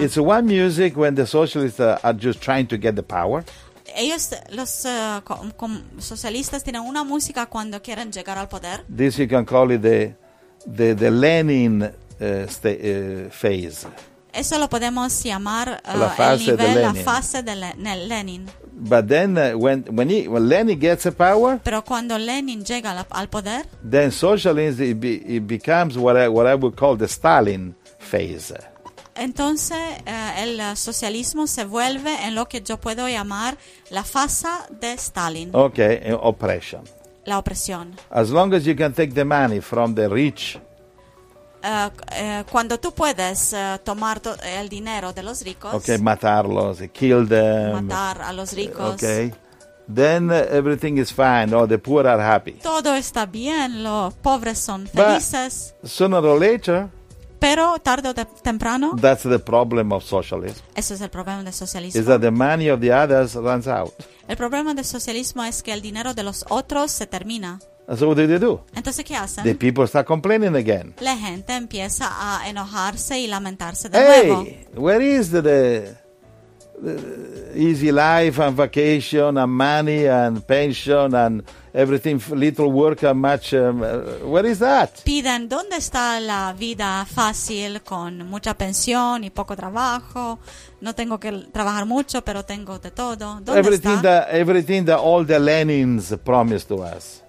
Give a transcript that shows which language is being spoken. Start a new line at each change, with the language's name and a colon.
English: It's one music when the socialists are just trying to get the power.
Spanish: Ellos, los socialistas, tienen una música cuando quieren llegar al poder.
English: This you can call it the Lenin phase.
Spanish: Eso lo podemos llamar la fase de Lenin. La fase de Lenin.
English: But then when Lenin gets a power,
Spanish: pero cuando Lenin llega al poder,
English: then socialism it becomes what I would call the Stalin phase.
Spanish: Entonces el socialismo se vuelve en lo que yo puedo llamar la fase de Stalin.
English: Okay, oppression.
Spanish: La opresión.
English: As long as you can take the money from the rich.
Spanish: Cuando tú puedes tomar el dinero de los ricos,
English: okay,
Spanish: matarlos,
English: kill them,
Spanish: matar a los ricos,
English: okay, then everything is fine. Or the poor are happy.
Spanish: Todo está bien, los pobres son felices.
English: But sooner or later,
Spanish: pero tarde o temprano,
English: that's the problem of socialism.
Spanish: Eso es el problema del socialismo.
English: Is that the money of the others runs out?
Spanish: El problema del socialismo es que el dinero de los otros se termina.
English: So what do they do?
Spanish: Entonces, ¿qué hacen?
English: The people start complaining again.
Spanish: La gente empieza a enojarse y lamentarse de hey, nuevo.
English: Where is the easy life and vacation and money and pension and everything, little work and much, where is that?
Spanish: Piden, ¿dónde está la vida fácil con mucha pensión y poco trabajo? No tengo que trabajar mucho, pero tengo de todo. ¿Dónde
English: everything
Spanish: está?
English: Everything that all the Lenins promised to us.